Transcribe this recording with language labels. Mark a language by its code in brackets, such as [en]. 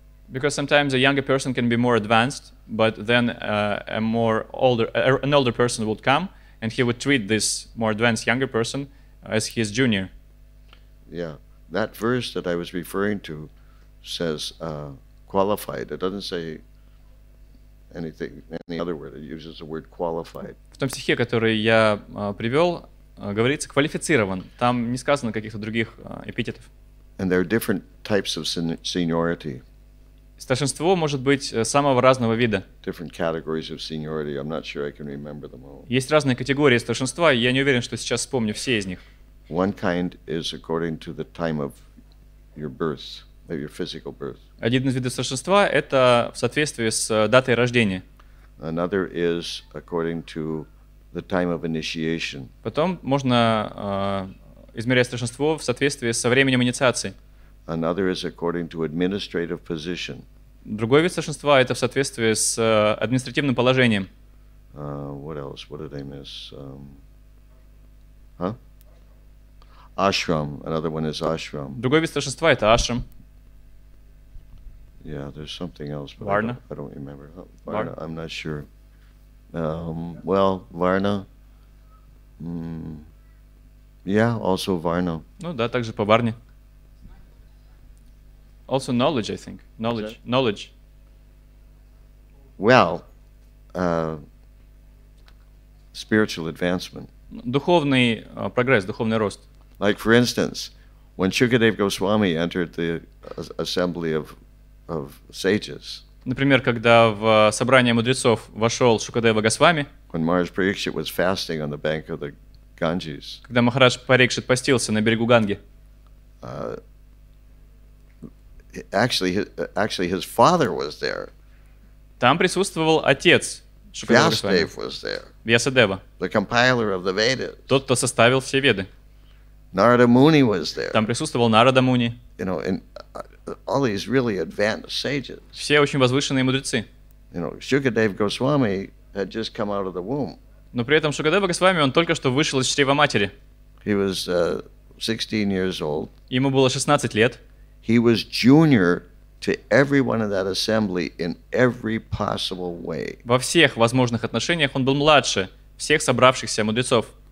[en] Because sometimes a younger person can be more advanced, but then an older person would come and he would treat this more advanced younger person as his junior. Yeah. That verse that I was referring to says qualified. It doesn't say anything, any other word. It uses the word qualified. [ru] В том стихе, который я привел, говорится квалифицирован. Там не сказано каких-то других эпитетов. [en] And there are different types of seniority. [ru] Старшинство может быть самого разного вида. [en] Different categories of seniority. I'm not sure I can remember them all. [ru] Есть разные категории старшинства, и я не уверен, что сейчас вспомню все из них. [en] One kind is according to the time of your birth, of your physical birth. [ru] Один из видов старшинства — это в соответствии с датой рождения. [en] Another is according to the time of initiation. [ru] Потом можно измерять старшинство в соответствии со временем инициации. [en] Another is according to administrative position. [ru] Другой вид старшинства — это в соответствии с административным положением. [en] What else? What did I miss? Ashram. Another one is ashram. [ru] Другой вид старшинства — это ашрам. [en] Yeah, there's something else, but I don't remember. Varna. I'm not sure. Varna. Also Varna. [ru] Ну да, также по Варне. [en] Also knowledge, I think. Knowledge. Well, spiritual advancement. [ru] Духовный прогресс, духовный рост. [en] Like, for instance, when Shukadeva Goswami entered the assembly of sages. [ru] Например, когда в собрание мудрецов вошел Шукадева Госвами. [en] When Maharaj Parikshit was fasting on the bank of the Ganges. [ru] Когда Махарадж Парикшит постился на берегу Ганги. [en] Actually, his father was there. [ru] Там присутствовал отец Шукадева Госвами. [en] Vyasadeva was there. Vyasadeva. The compiler of the Vedas. [ru] Тот, кто составил все Веды. [en] Narada Muni was there. [ru] Там присутствовал Нарада Муни. [en] You know, and all these really advanced sages. [ru] Все очень возвышенные мудрецы. [en] You know, Shukadeva Goswami had just come out of the womb. [ru] Но при этом Шукадева Госвами, он только что вышел из чрева матери. [en] He was 16 years old. [ru] Ему было 16 лет. [en] He was junior to everyone in that assembly in every possible way. [ru] Во всех возможных отношениях он был младше всех собравшихся мудрецов.